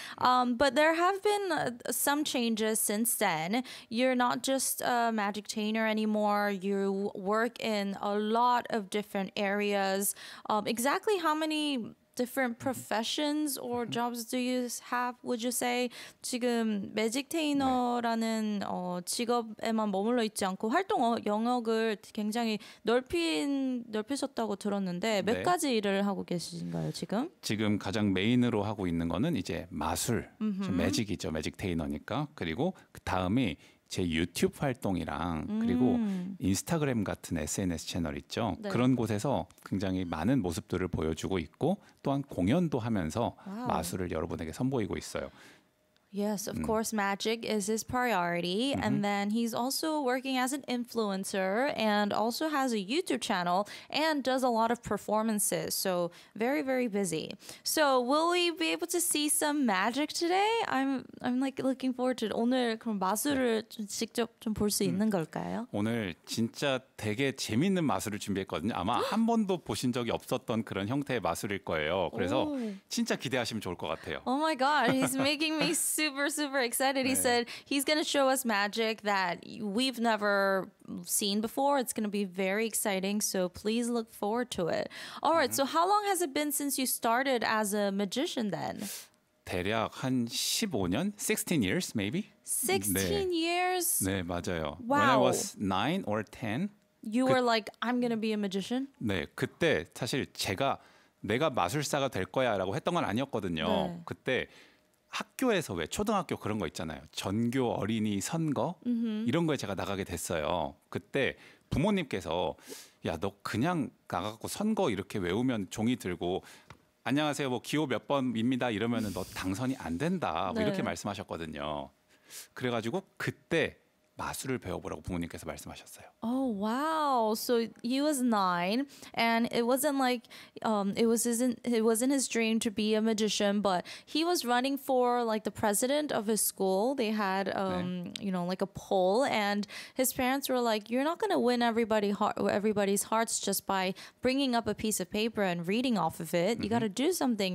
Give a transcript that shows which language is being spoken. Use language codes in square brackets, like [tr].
[en] But there have been some changes since then. You're not just a magictainer anymore. You work in a lot of different areas. Exactly how many different professions or jobs do you have, would you say? [ko] 지금 매직테이너라는 직업에만 머물러 있지 않고 활동 영역을 굉장히 넓히셨다고 들었는데 몇 네. 가지 일을 하고 계신가요, 지금? 지금 가장 메인으로 하고 있는 거는 이제 마술, 매직이죠, 매직테이너니까. 그리고 그 다음이 제 유튜브 활동이랑 그리고 인스타그램 같은 SNS 채널 있죠. 네. 그런 곳에서 굉장히 많은 모습들을 보여주고 있고 또한 공연도 하면서 와우. 마술을 여러분에게 선보이고 있어요. [en] Yes, of course, magic is his priority. And then he's also working as an influencer and also has a YouTube channel and does a lot of performances. So very, very busy. So will we be able to see some magic today? I'm like looking forward to it. [ko] 오늘 그럼 마술을 네. 직접 좀 볼 수 있는 걸까요? 오늘 진짜 되게 재밌는 마술을 준비했거든요. 아마 한 번도 보신 적이 없었던 그런 형태의 마술일 거예요. 그래서 진짜 기대하시면 좋을 것 같아요. [en] Oh my God, he's making me so super, super excited. He 네. said he's going to show us magic that we've never seen before. It's going to be very exciting. So please look forward to it. All right. So how long has it been since you started as a magician then? [ko] 대략 한 15년? [en] 16 years maybe? 16 네. years? [ko] 네, 맞아요. [en] Wow. When I was 9 or 10. You were like, I'm going to be a magician? [ko] 네, 그때 사실 제가 내가 마술사가 될 거야 라고 했던 건 아니었거든요. 네. 그때 학교에서 왜 초등학교 그런 거 있잖아요. 전교 어린이 선거 이런 거에 제가 나가게 됐어요. 그때 부모님께서 야 너 그냥 나가고 선거 이렇게 외우면 종이 들고 안녕하세요 뭐 기호 몇 번입니다 이러면은 너 당선이 안 된다 뭐 네. 이렇게 말씀하셨거든요. 그래가지고 그때 마술을 배워보라고 부모님께서 말씀하셨어요. [en] Oh wow! So he was nine, and it wasn't like it wasn't his dream to be a magician, but he was running for like the president of his school. They had you know like a poll, and his parents were like, "You're not gonna win everybody's hearts just by bringing up a piece of paper and reading off of it. Mm-hmm. You got to do something."